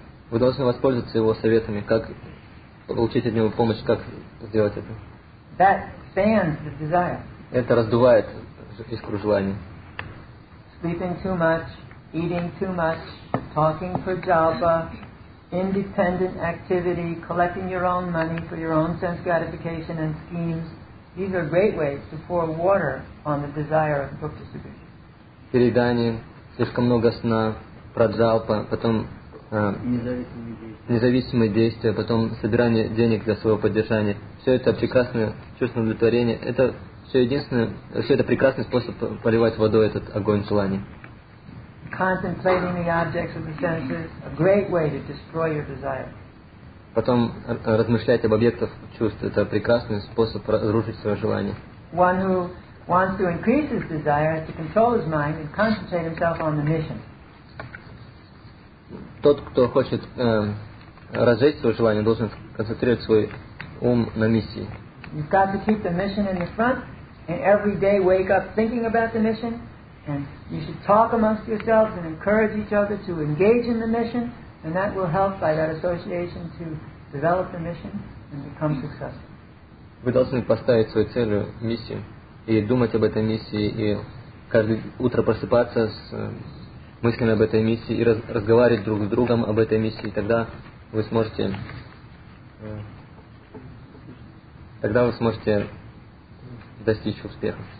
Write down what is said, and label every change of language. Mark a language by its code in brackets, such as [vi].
[ru] Вы должны воспользоваться его советами, как получить от него помощь, как сделать это. [en] That fans the desire. [ru] Это раздувает искру желания. [en] Sleeping too much, eating too much, talking for japa, independent activity, collecting your own money for your own sense gratification and schemes. These are great ways to pour water on the desire of book distribution. [ru] Переедание, слишком много сна, праджалпа, потом независимые действия, потом собирание денег для своего поддержания. Все это прекрасное чувство удовлетворения. Это все единственное, все это прекрасный способ поливать водой этот огонь желаний. [en] Contemplating the objects of the senses, a great way to destroy your desire. [ru] Потом размышлять об объектах чувств – это прекрасный способ разрушить свое желание. [en] One who wants to increase his desire has to control his mind and concentrate himself on the mission. [ru] Тот, кто хочет разжечь свое желание, должен концентрировать свой ум на миссии. [en] You've got to keep the mission in the front, and every day wake up thinking about the mission. And you should talk amongst yourselves and encourage each other to engage in the mission, and that will help by that association to develop the mission and become successful. [ru] Вы должны поставить свою цель, миссию, и думать об этой миссии, и каждое утро просыпаться с мыслями об этой миссии, и разговаривать друг с другом об этой миссии, тогда вы сможете достичь успеха.